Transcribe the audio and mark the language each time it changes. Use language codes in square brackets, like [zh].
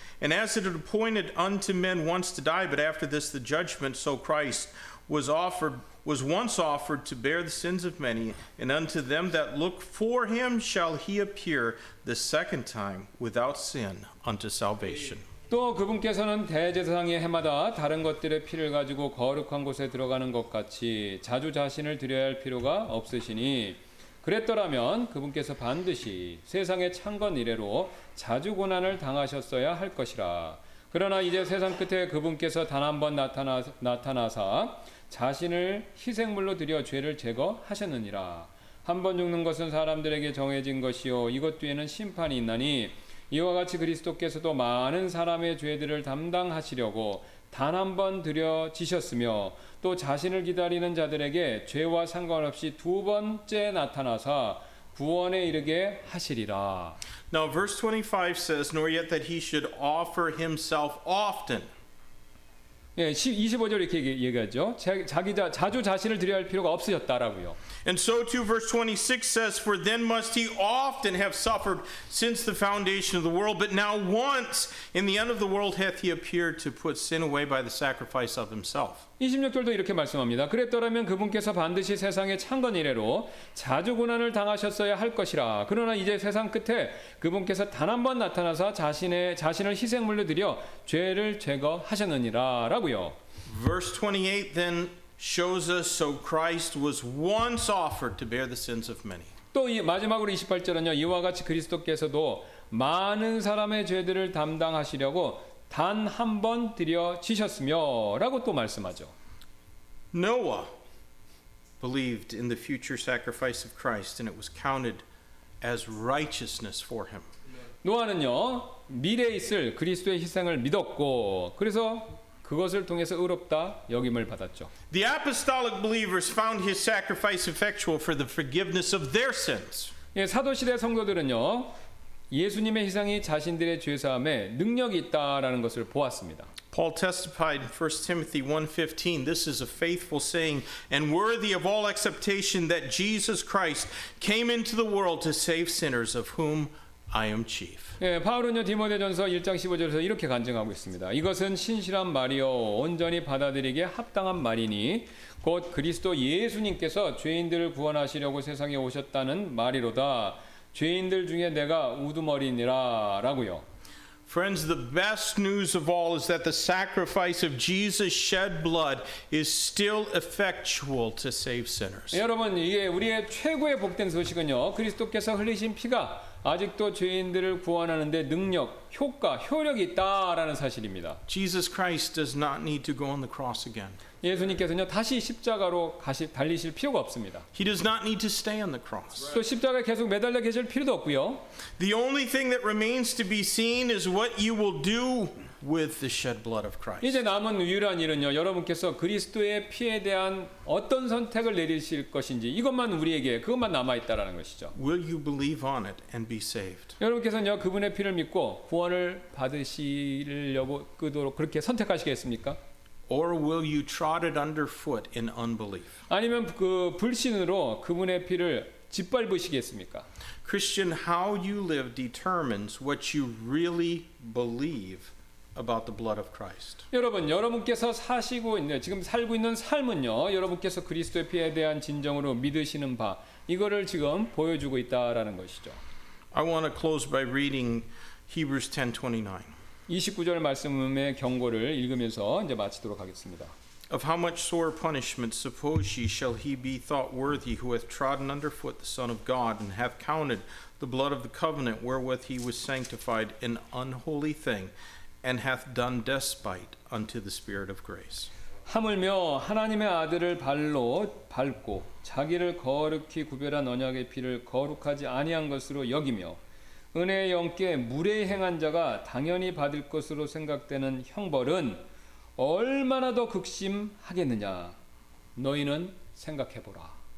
[en] And as it is appointed unto men once to die, but after this the judgment, so Christ was once offered to bear the sins of many, and unto them that look for him shall he appear the second time without sin unto salvation. [ko] 또 그분께서는 대제사장이 해마다 다른 것들의 피를 가지고 거룩한 곳에 들어가는 것 같이 자주 자신을 드려야 할 필요가 없으시니 그랬더라면 그분께서 반드시 세상의 창건 이래로 자주 고난을 당하셨어야 할 것이라. 그러나 이제 세상 끝에 그분께서 단 한 번 나타나사 자신을 희생물로 드려 죄를 제거하셨느니라. 한번 죽는 것은 사람들에게 정해진 것이요 이것 뒤에는 심판이 있나니 이와 같이 그리스도께서도 많은 사람의 죄들을 담당하시려고 단 한 번 드려지셨으며 또 자신을 기다리는 자들에게 죄와 상관없이 두 번째 나타나사 구원에 이르게 하시리라. [en] Now verse 25 says, nor yet that he should offer himself often. [ko] 예, 25절 이렇게 얘기하죠. 자주 자신을 드려야 할 필요가 없으셨다라고요. [en] And so too verse 26 says, for then must he often have suffered since the foundation of the world, but now once in the end of the world hath he appeared to put sin away by the sacrifice of himself. [ko] 26절도 이렇게 말씀합니다. 그랬더라면 그분께서 반드시 세상에 창건 이래로 자주 고난을 당하셨어야 할 것이라. 그러나 이제 세상 끝에 그분께서 단 한 번 나타나서 자신을 희생물로 드려 죄를 제거하셨느니라 라고요. [en] Verse 28 then shows us so Christ was once offered to bear the sins of many. [ko] 또 이 마지막으로 28절은요. 이와 같이 그리스도께서도 많은 사람의 죄들을 담당하시려고 단 한 번 드려지셨으며라고 또 말씀하죠. [en] Noah believed in the future sacrifice of Christ and it was counted as righteousness for him. [ko] 노아는요. 미래에 있을 그리스도의 희생을 믿었고 그래서 그것을 통해서 의롭다 여김을 받았죠. [en] The apostolic believers found his sacrifice effectual for the forgiveness of their sins. [ko] 예, 사도 시대 성도들은요. 예수님의 희생이 자신들의 죄 사함에 능력이 있다라는 것을 보았습니다. [en] Paul testified in 1 Timothy 1:15, this is a faithful saying and worthy of all acceptation that Jesus Christ came into the world to save sinners of whom I am chief. [ko] 예, 바울은요 디모데전서 1장 15절에서 이렇게 간증하고 있습니다. 이것은 신실한 말이요 온전히 받아들이기에 합당한 말이니 곧 그리스도 예수님께서 죄인들을 구원하시려고 세상에 오셨다는 말이로다. 죄인들 중에 내가 우두머리니라라고요. [en] Friends, the best news of all is that the sacrifice of Jesus shed blood is still effectual to save sinners. [ko] 여러분, 이게 우리의 최고의 복된 소식은요. 그리스도께서 흘리신 피가 아직도 죄인들을 구원하는 데 능력, 효과, 효력이 있다라는 사실입니다. [en] Jesus Christ does not need to go on the cross again. [ko] 예수님께서는요 다시 십자가로 달리실 필요가 없습니다. [en] He does not need to stay on the cross. [ko] 또 십자가에 계속 매달려 계실 필요도 없고요. [en] The only thing that remains to be seen is what you will do with the shed blood of Christ. [ko] 이제 남은 유일한 일은요 여러분께서 그리스도의 피에 대한 어떤 선택을 내리실 것인지 이것만 우리에게 그것만 남아 있다라는 것이죠. [en] Will you believe on it and be saved? [ko] 여러분께서는요 그분의 피를 믿고 구원을 받으시려고 그도록 그렇게 선택하시겠습니까? [en] Or will you trot it underfoot in unbelief? [ko] 아니면 그 불신으로 그분의 피를 짓밟으시겠습니까? [en] Christian, how you live determines what you really believe about the blood of Christ. [ko] 여러분, 여러분께서 사시고 있는 지금 살고 있는 삶은요, 여러분께서 그리스도의 피에 대한 진정으로 믿으시는 바 이거를 지금 보여주고 있다라는 것이죠. [en] I want to close by reading Hebrews 10:29. [ko] 29절 말씀의 경고를 읽으면서 이제 마치도록 하겠습니다. [en] Of how much sore punishment suppose ye shall he be thought worthy who hath trodden underfoot the Son of God and hath counted the blood of the covenant wherewith he was sanctified an unholy thing and hath done despite unto the Spirit of grace. [ko] 하물며 하나님의 아들을 발로 밟고 자기를 거룩히 구별한 언약의 피를 거룩하지 아니한 것으로 여기며 은혜의 영께 무례히 행한 자가 당연히 받을 것으로 생각되는 형벌은 얼마나 더 극심하겠느냐 너희는 생각해보라.